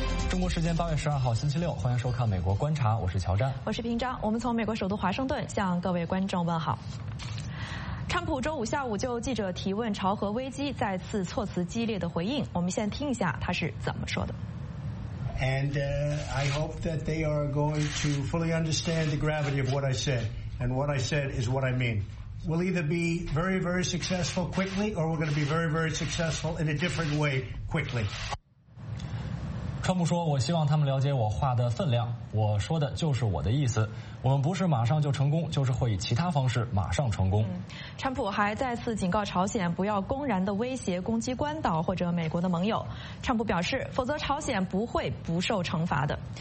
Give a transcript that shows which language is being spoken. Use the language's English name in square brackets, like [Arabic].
[Chinese] 中国时间8月12号星期六，欢迎收看美国观察，我是乔詹，我是平章，我们从美国首都华盛顿向各位观众问好。川普周五下午就记者提问朝核危机再次措辞激烈的回应，我们先听一下他是怎么说的。 [English] And I hope that they are going to fully understand the gravity of what I said, and what I said is what I mean. We'll either be very, very successful quickly, or we're going to be very, very successful in a different way quickly. [Chinese] 川普说，我希望他们了解我话的分量，我说的就是我的意思，我们不是马上就成功，就是会以其他方式马上成功。川普还再次警告朝鲜不要公然的威胁攻击关岛或者美国的盟友，川普表示否则朝鲜不会不受惩罚的。